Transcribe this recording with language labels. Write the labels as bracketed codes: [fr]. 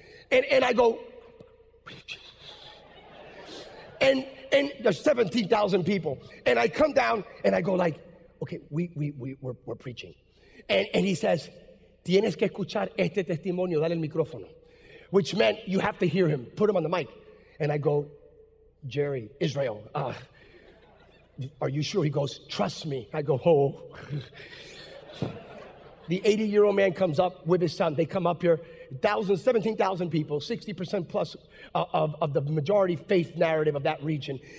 [en] And I go, and there's 17,000 people. And I come down and I go like, okay, we're preaching. And he says, [es] tienes que escuchar este testimonio, dale el micrófono. [en] Which meant you have to hear him, put him on the mic. And I go, Jerry, Israel, are you sure? He goes, trust me. I go, oh. The 80-year-old man comes up with his son. They come up here, 17,000 people, 60% plus of the majority faith narrative of that region.